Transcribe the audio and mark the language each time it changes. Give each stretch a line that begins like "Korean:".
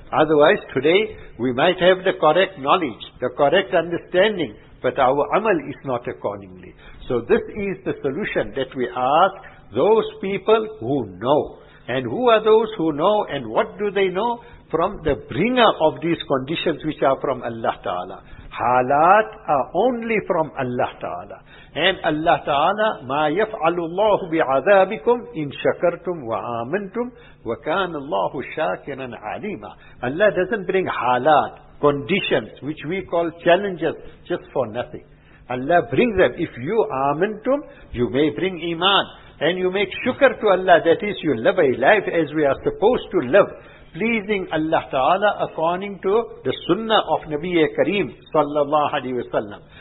English: Otherwise, today, we might have the correct knowledge, the correct understanding, but our amal is not accordingly. So this is the solution that we ask those people who know. And who are those who know, and what do they know? From the bringer of these conditions which are from Allah Ta'ala. Halat are only from Allah Ta'ala. And Allah Ta'ala,
Arabic: مَا يَفْعَلُ اللَّهُ بِعَذَابِكُمْ إِن شَكَرْتُمْ وَآمَنْتُمْ وَكَانَ اللَّهُ شَاكِرًا عَلِيمًا.
English: Allah doesn't bring halat, conditions, which we call challenges, just for nothing. Allah brings them. If you آمنتم, you may bring iman. And you make shukr to Allah, that is, you live a life as we are supposed to live, pleasing Allah Ta'ala according to the sunnah of Nabiya Kareem sallallahu alayhi wa sallam.